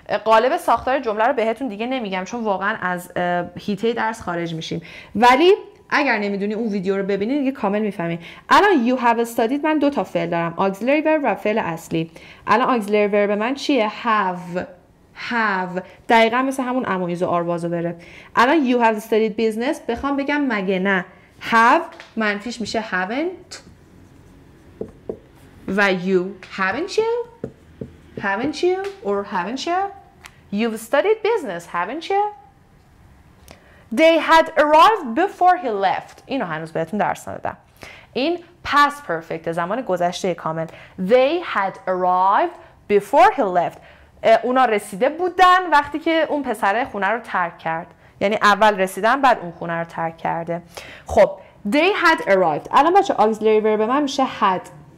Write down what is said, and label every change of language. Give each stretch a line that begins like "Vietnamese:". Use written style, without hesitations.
Persian: قالب ساختار جمله رو بهتون دیگه نمیگم چون واقعا از هیته درس خارج میشیم، ولی اگر نمیدونی اون ویدیو رو ببینید دیگه کامل میفهمید. الان
English: you have studied،
Persian: من دو تا فعل دارم،
English: auxiliary verb
Persian: و فعل اصلی. الان
English: auxiliary verb
Persian: من چیه؟ have. دقیقا مثل همون امویز و آروازو بره.
English: الان you have studied business،
Persian: بخوام بگم مگه نه؟
English: have
Persian: منفیش میشه
English: haven't و you haven't you؟ haven't you or haven't you؟ you've studied business, haven't you؟ They had arrived before he left.
Persian: اینو هنوز بهتون درس ندادم. این
English: past perfect،
Persian: زمان گذشته کامل.
English: They had arrived before he left.
Persian: اونا رسیده بودن وقتی که اون پسر خونه رو ترک کرد. یعنی اول رسیدن بعد اون خونه رو ترک کرده. خب
English: they had arrived.
Persian: الان بچه
English: auxiliary verb
Persian: به من میشه had.